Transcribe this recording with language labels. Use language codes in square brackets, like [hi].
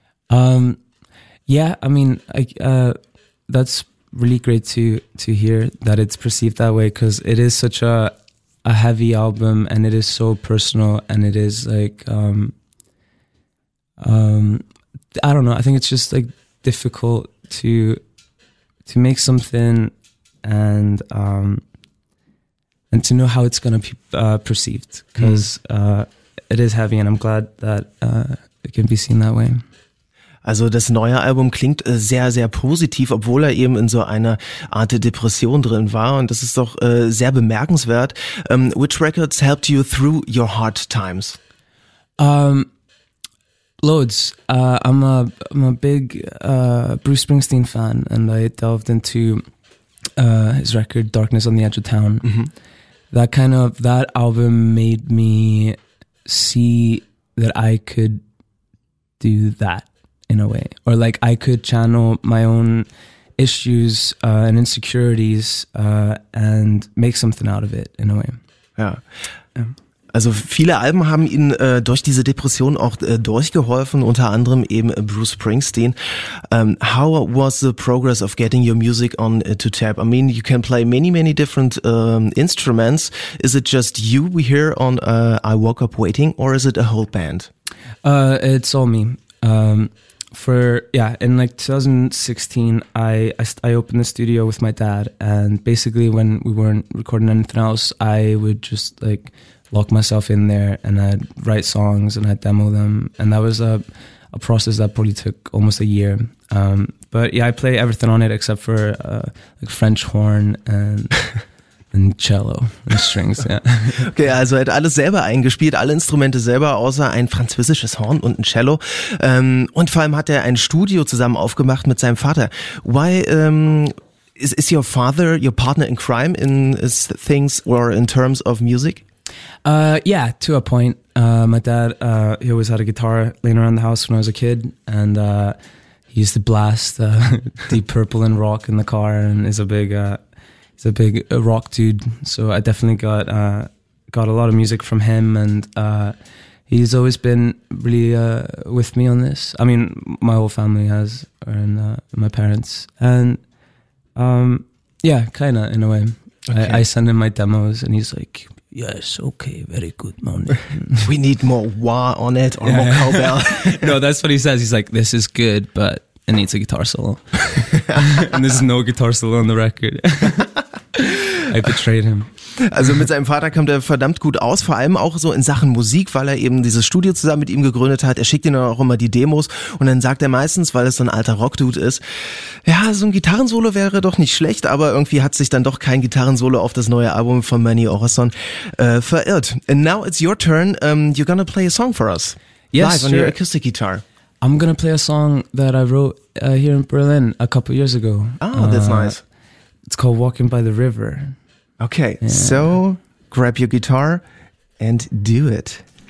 [en] Yeah, I mean, that's really great to hear that it's perceived that way because it is such a heavy album and it is so personal and it is like I don't know, I think it's just like difficult to make something and to know how it's gonna be perceived because it is heavy and I'm glad that it can be seen that way. [de] Also das neue Album klingt sehr, sehr positiv, obwohl er eben in so einer Art Depression drin war. Und das ist doch sehr bemerkenswert. [en] Which records helped you through your hard times? Loads. I'm a big Bruce Springsteen fan and I delved into his record Darkness on the Edge of Town. Mm-hmm. That album made me see that I could do that. In a way, or like I could channel my own issues and insecurities and make something out of it in a way. [de] Ja. Also viele Alben haben ihnen durch diese Depression auch durchgeholfen, unter anderem eben Bruce Springsteen. [en] How was the progress of getting your music on to tape? I mean, you can play many, many different instruments. Is it just you we hear on I Woke Up Waiting or is it a whole band? It's all me. In like 2016, I opened the studio with my dad and basically when we weren't recording anything else, I would just like lock myself in there and I'd write songs and I'd demo them. And that was a process that probably took almost a year. But yeah, I play everything on it except for like French horn and... [de] Und Cello und Strings, ja. Okay, also er hat alles selber eingespielt, alle Instrumente selber, außer ein französisches Horn und ein Cello. Und vor allem hat er ein Studio zusammen aufgemacht mit seinem Vater. [en] Why is your father your partner in crime in things or in terms of music? Yeah, to a point. My dad, he always had a guitar laying around the house when I was a kid. And he used to blast Deep Purple and rock in the car and is a big... he's a big rock dude. So I definitely got a lot of music from him, and he's always been really with me on this. I mean, my whole family has, and my parents, and yeah, kind of in a way. Okay. I send him my demos, and he's like, yes, okay, very good, man. We need more wah on it, or yeah, more cowbell. No, that's what he says. He's like, this is good, but it needs a guitar solo. And there's no guitar solo on the record. I betrayed him. [de] Also mit seinem Vater kommt er verdammt gut aus, vor allem auch so in Sachen Musik, weil er eben dieses Studio zusammen mit ihm gegründet hat. Er schickt ihm auch immer die Demos und dann sagt er meistens, weil es so ein alter Rockdude ist, ja, so ein Gitarrensolo wäre doch nicht schlecht, aber irgendwie hat sich dann doch kein Gitarrensolo auf das neue Album von Manny Orrason verirrt. [en] And now it's your turn, you're gonna play a song for us. Yes, live on your acoustic guitar. I'm gonna play a song that I wrote here in Berlin a couple years ago. Oh, that's nice. It's called Walking by the River. Okay, yeah. So grab your guitar and do it.